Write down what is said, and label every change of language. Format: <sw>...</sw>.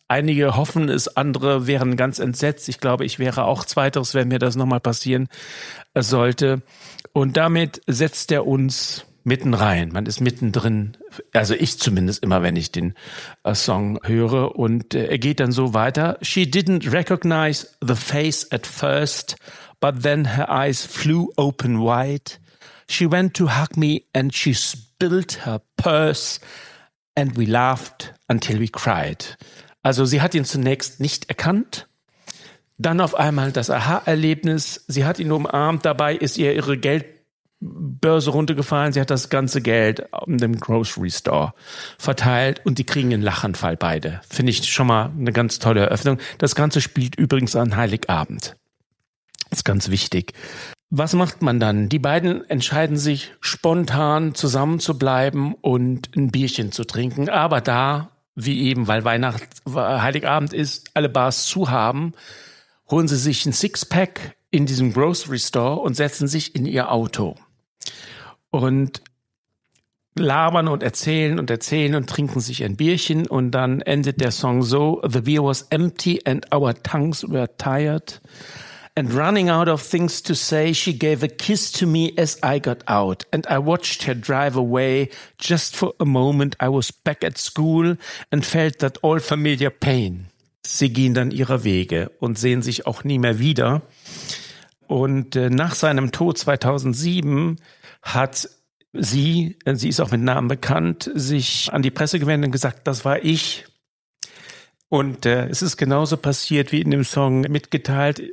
<de>Einige hoffen es, andere wären ganz entsetzt. Ich glaube, ich wäre auch Zweiteres, wenn mir das nochmal passieren sollte. Und damit setzt er uns mitten rein. Man ist mittendrin, also ich zumindest immer, wenn ich den Song höre. Und er geht dann so weiter.</de> <en>She didn't recognize the face at first, but then her eyes flew open wide. She went to hug me and she spilled her purse and we laughed until we cried.</en> <de>Also sie hat ihn zunächst nicht erkannt. Dann auf einmal das Aha-Erlebnis. Sie hat ihn umarmt. Dabei ist ihr ihre Geld, Börse runtergefallen. Sie hat das ganze Geld in dem Grocery Store verteilt und die kriegen einen Lachanfall beide. Finde ich schon mal eine ganz tolle Eröffnung. Das Ganze spielt übrigens an Heiligabend. Ist ganz wichtig. Was macht man dann? Die beiden entscheiden sich spontan zusammen zu bleiben und ein Bierchen zu trinken. Aber da, wie eben, weil Heiligabend ist, alle Bars zu haben, holen sie sich ein Sixpack in diesem Grocery Store und setzen sich in ihr Auto. Und labern und erzählen und trinken sich ein Bierchen. Und dann endet der Song so:</de> <en>The beer was empty and our tongues were tired. And running out of things to say, she gave a kiss to me as I got out. And I watched her drive away. Just for a moment I was back at school and felt that all familiar pain.</en> <de>Sie gehen dann ihrer Wege und sehen sich auch nie mehr wieder. Und nach seinem Tod 2007 hat sie ist auch mit Namen bekannt, sich an die Presse gewendet und gesagt, das war ich. Und es ist genauso passiert, wie in dem Song mitgeteilt.</de>